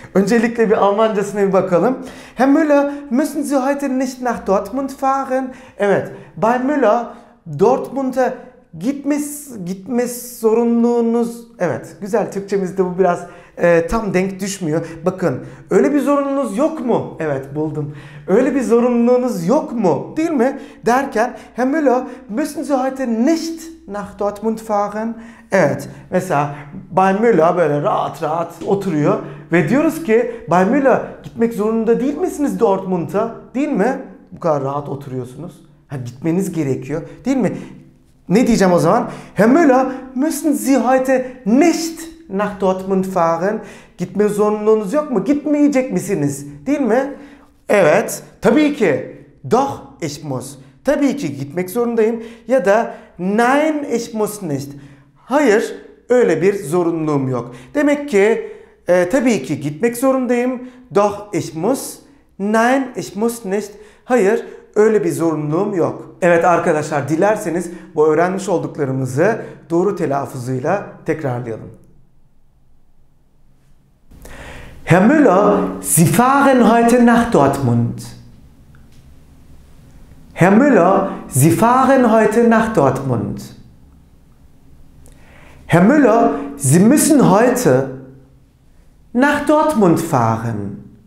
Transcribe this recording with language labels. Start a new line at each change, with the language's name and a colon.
Turkish: Öncelikle bir Almancasına bir bakalım.
German: Herr Müller, müssen Sie heute nicht nach Dortmund fahren?
Turkish: Evet, Bay Müller, Dortmund'a gitmez zorunluluğunuz... Evet, güzel, Türkçemizde bu biraz tam denk düşmüyor. Bakın, öyle bir zorunluluğunuz yok mu? Evet, buldum. Öyle bir zorunluluğunuz yok mu? Değil mi?
German: Derken, Herr Müller, müssen Sie heute nicht nach Dortmund fahren?
Turkish: Evet, mesela Bay Müller böyle rahat rahat oturuyor ve diyoruz ki, Bay Müller, gitmek zorunda değil misiniz Dortmund'a? Değil mi? Bu kadar rahat oturuyorsunuz. Ha, gitmeniz gerekiyor. Değil mi? Ne diyeceğim o zaman? Herr Müller, müssen Sie heute nicht nach Dortmund fahren? Gitme zorunluluğunuz yok mu? Gitmeyecek misiniz? Değil mi? Evet, tabii ki.
German: Doch, ich muss.
Turkish: Tabii ki gitmek zorundayım. Ya da
German: nein, ich muss nicht.
Turkish: Hayır, öyle bir zorunluluğum yok. Demek ki tabii ki gitmek zorundayım.
German: Doch, ich muss. Nein, ich muss nicht.
Turkish: Hayır, öyle bir zorunluluğum yok. Evet arkadaşlar, dilerseniz bu öğrenmiş olduklarımızı doğru telaffuzuyla tekrarlayalım.
German: Herr Müller, Sie fahren heute nach Dortmund. Herr Müller, Sie fahren heute nach Dortmund. Herr Müller, Sie müssen heute nach Dortmund fahren.